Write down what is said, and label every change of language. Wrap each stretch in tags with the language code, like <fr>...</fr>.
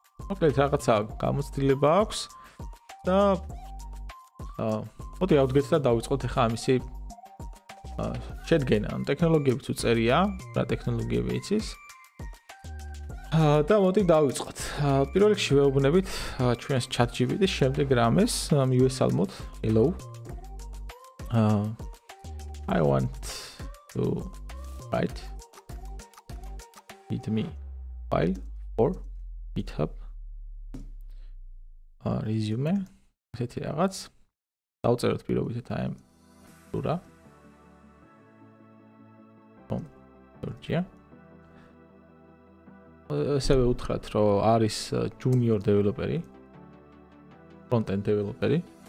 <ka>მოკლედ რაღაცა გამოცდილება აქვს და მოდი ავდგეთ და დავიწყოთ ახლა ამისი შედგენა. ტექნოლოგიებიც უწერია, რა ტექნოლოგიები იცის. და მოდი დავიწყოთ. პირველ რიგში ვეუბნებით ჩვენს ChatGPT-ს, შემდეგ რამეს მივესალმოთ.</ka> <en>Hello. I want to write readme file for GitHub resume.</en> <ka>ესეთი რაღაც. დავწეროთ პირობითად აი ამ ზურა. Bom. Georgia. ასევე უთხრათ, რომ არის junior developer-ი, front-end developer-ი.</ka>